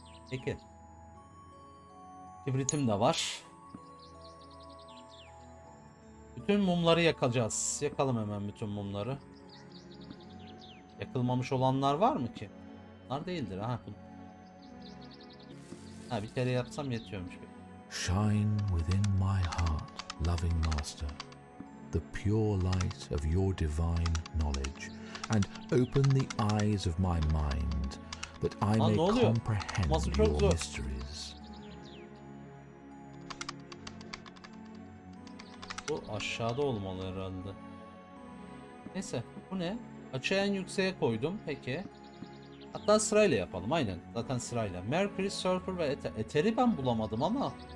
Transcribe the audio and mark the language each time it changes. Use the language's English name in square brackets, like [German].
[Turkish] Peki. Kibritim de var. Bütün mumları yakacağız. Yakalım hemen bütün mumları. Yakılmamış olanlar var mı ki? Bunlar değildir. Ha, ha bir kere yapsam yetiyormuş. [English] Shine within my heart, loving master, the pure light of your divine knowledge, and open the eyes of my mind, that I may comprehend your mysteries. [Turkish] Bu aşağıda olmalı herhalde. Neyse, bu ne? Açığı en yükseğe koydum, peki. Hatta sırayla yapalım, aynen. Zaten sırayla. Mercury, Surfer ve Ether'i ben bulamadım ama...